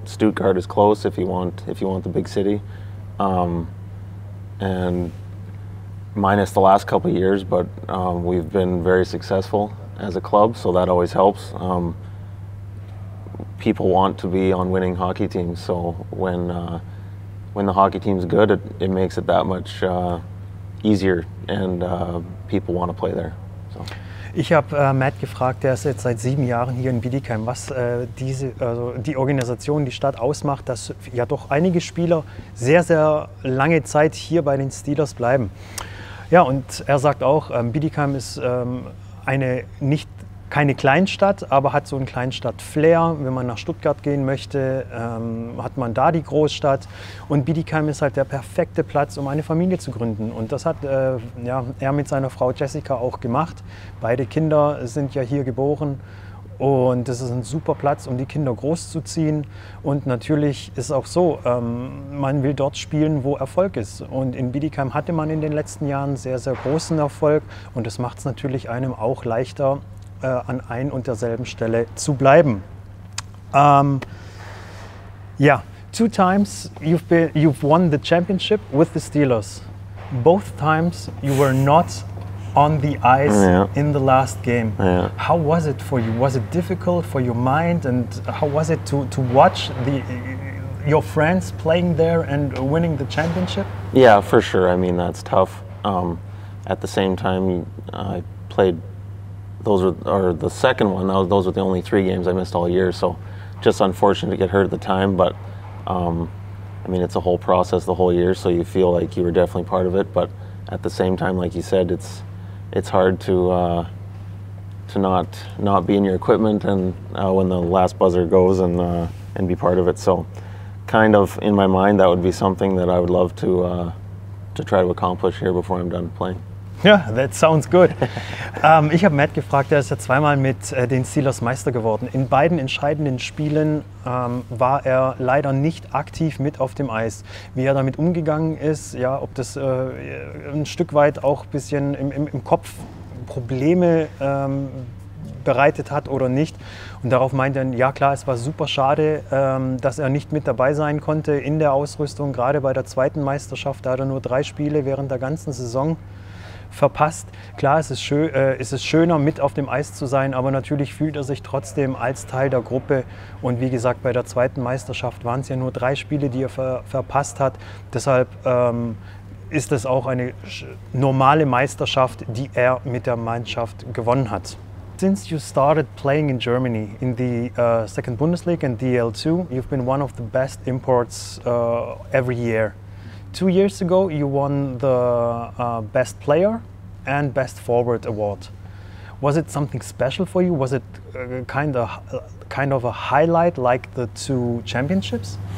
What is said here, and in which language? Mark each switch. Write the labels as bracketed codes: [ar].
[en] Stuttgart is close if you want the big city. And minus the last couple of years, but we've been very successful as a club, so that always helps. People want to be on winning hockey teams, so when the hockey team's good, it makes it that much easier, and people want to play there. So. [de] Ich habe Matt gefragt, der ist jetzt seit 7 Jahren hier in Bietigheim, was die Organisation, die Stadt ausmacht, dass ja doch einige Spieler sehr, sehr lange Zeit hier bei den Steelers bleiben. Ja, und er sagt auch, Bietigheim ist keine Kleinstadt, aber hat so ein Kleinstadt-Flair. Wenn man nach Stuttgart gehen möchte, hat man da die Großstadt. Und Bietigheim ist halt der perfekte Platz, um eine Familie zu gründen. Und das hat er mit seiner Frau Jessica auch gemacht. Beide Kinder sind ja hier geboren. Und das ist ein super Platz, um die Kinder großzuziehen. Und natürlich ist auch so, man will dort spielen, wo Erfolg ist. Und in Bietigheim hatte man in den letzten Jahren sehr, sehr großen Erfolg. Und das macht es natürlich einem auch leichter, an ein und derselben Stelle zu bleiben. [en] Two times you've won the championship with the Steelers. Both times you were not on the ice in the last game. Yeah. How was it for you? Was it difficult for your mind? And how was it to watch your friends playing there and winning the championship? Yeah, for sure. I mean, that's tough. At the same time, I played. Those were the only 3 games I missed all year, so just unfortunate to get hurt at the time, but I mean, it's a whole process the whole year, so you feel like you were definitely part of it, but at the same time, like you said, it's hard to not be in your equipment and when the last buzzer goes and be part of it. So kind of in my mind, that would be something that I would love to try to accomplish here before I'm done playing. Ja, that sounds good. [de] Ich habe Matt gefragt, er ist ja zweimal mit den Steelers Meister geworden. In beiden entscheidenden Spielen war er leider nicht aktiv mit auf dem Eis. Wie er damit umgegangen ist, ja, ob das ein Stück weit auch ein bisschen im Kopf Probleme bereitet hat oder nicht. Und darauf meint er, ja klar, es war super schade, dass er nicht mit dabei sein konnte in der Ausrüstung. Gerade bei der zweiten Meisterschaft, da hat er nur 3 Spiele während der ganzen Saison verpasst. Klar, es ist schöner, mit auf dem Eis zu sein, aber natürlich fühlt er sich trotzdem als Teil der Gruppe. Und wie gesagt, bei der zweiten Meisterschaft waren es ja nur 3 Spiele, die er verpasst hat. Deshalb ist es auch eine normale Meisterschaft, die er mit der Mannschaft gewonnen hat. [en] Since you started playing in Germany in the second Bundesliga and DL2, you've been one of the best imports every year. 2 years ago, you won the best player and best forward award. Was it something special for you? Was it kind of a highlight, like the two championships?